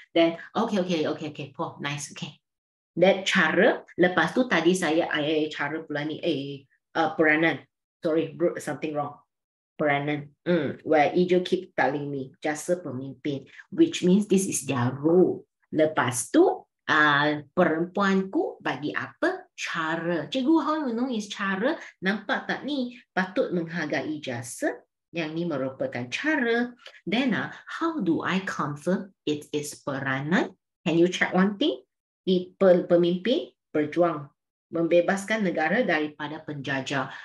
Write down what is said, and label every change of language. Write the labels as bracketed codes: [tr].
[ms] Then, okay. Poh, nice, okay. That cara, lepas tu tadi saya, cara pula ni, peranan. [en] Sorry, wrote something wrong. Peranan. Where Ijo keep telling me, jasa pemimpin. Which means this is their role. [ms] Lepas tu, perempuanku bagi apa? Cara. Cikgu, [en] how you know is [ms] cara? Nampak tak ni? Patut menghargai jasa. Yang ni merupakan cara. [en] Then, how do I confirm it is [ms] peranan? [en] Can you check one thing? Pemimpin berjuang. [ms] Membebaskan negara daripada penjajah.